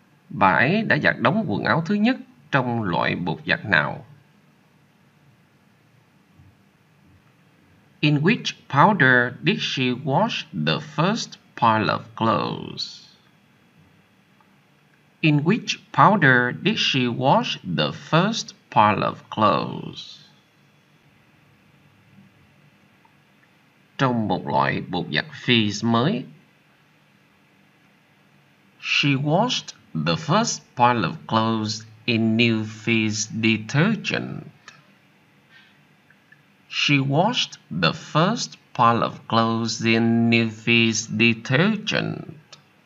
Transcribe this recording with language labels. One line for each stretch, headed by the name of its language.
Vietnamese: Bà ấy đã giặt đống quần áo thứ nhất trong loại bột giặt nào?
English: In which powder did she wash the first pile of clothes? In which powder did she wash the first pile of clothes?
Vietnamese: Trong một loại bột giặt Fizz mới.
English: She washed the first pile of clothes in new Fizz detergent. She washed the first pile of clothes in new Fizz detergent.